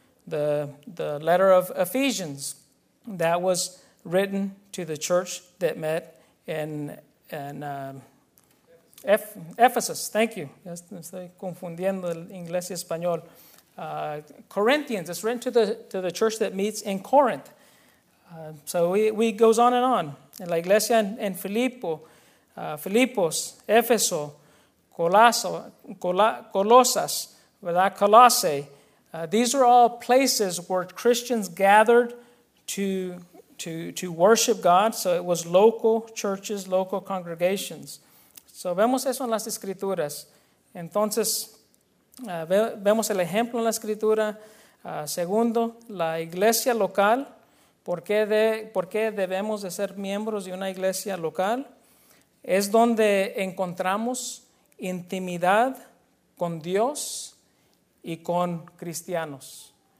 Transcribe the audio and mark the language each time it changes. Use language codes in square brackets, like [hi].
[en] The letter of Ephesians, that was written to the church that met Ephesus. Thank you. [es] Estoy confundiendo el inglés y español. Corinthians. [en] It's written to the church that meets in Corinth. So we goes on and on. [es] En la iglesia en Filipo, Filipos, Éfeso, Colosas, verdad, Colosse. [en] These are all places where Christians gathered to worship God, so it was local churches, local congregations. [es] So vemos eso en las Escrituras. Entonces, vemos el ejemplo en la Escritura. Segundo, la iglesia local ¿Por qué debemos de ser miembros de una iglesia local? Es donde encontramos intimidad con Dios y con cristianos.